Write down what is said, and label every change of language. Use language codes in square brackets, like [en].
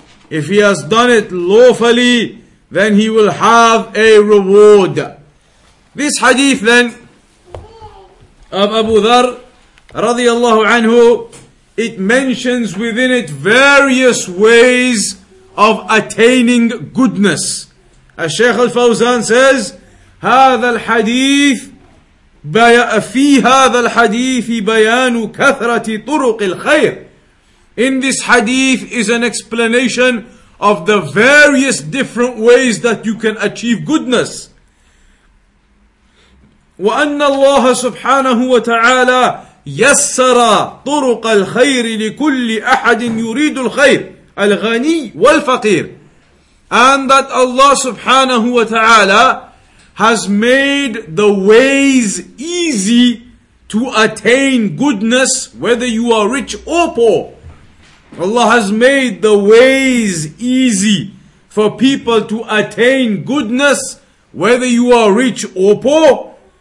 [en] If he has done it lawfully, then he will have a reward. This hadith then, of Abu Dhar, radiallahu anhu, it mentions within it various ways of attaining goodness. As Shaykh Al-Fawzan says, [ar] هذا الحديث في هذا الحديث بيان كثرة طرق الخير. [en] In this hadith is an explanation of the various different ways that you can achieve goodness. [ar] وأن الله سبحانه وتعالى يسر طرق الخير لكل أحد يريد الخير الغني والفقير. [en] And that Allah سبحانه وتعالى has made the ways easy to attain goodness, whether you are rich or poor. Allah has made the ways easy for people to attain goodness, whether you are rich or poor.